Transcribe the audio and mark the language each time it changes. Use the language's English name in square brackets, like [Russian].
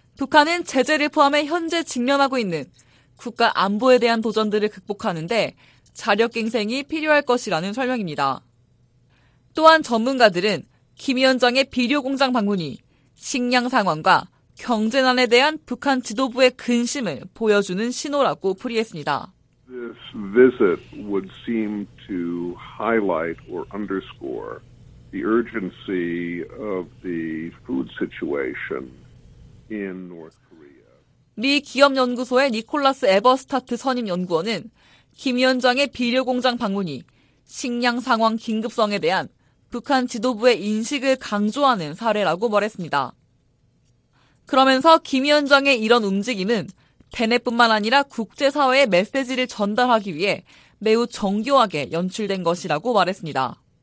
[Korean] 북한은 제재를 포함해 현재 직면하고 있는 국가 안보에 대한 도전들을 극복하는데 자력갱생이 필요할 것이라는 설명입니다. 또한 전문가들은 김 위원장의 비료 공장 방문이 식량 상황과 경제난에 대한 북한 지도부의 근심을 보여주는 신호라고 풀이했습니다. [English] This visit would seem to highlight or underscore the urgency of the food situation. [Korean] 미 기업연구소의 니콜라스 에버스타트 선임연구원은 김 위원장의 비료공장 방문이 식량 상황 긴급성에 대한 북한 지도부의 인식을 강조하는 사례라고 말했습니다. 그러면서 김 위원장의 이런 움직임은 대내뿐만 아니라 국제사회의 메시지를 전달하기 위해 매우 정교하게 연출된 것이라고 말했습니다.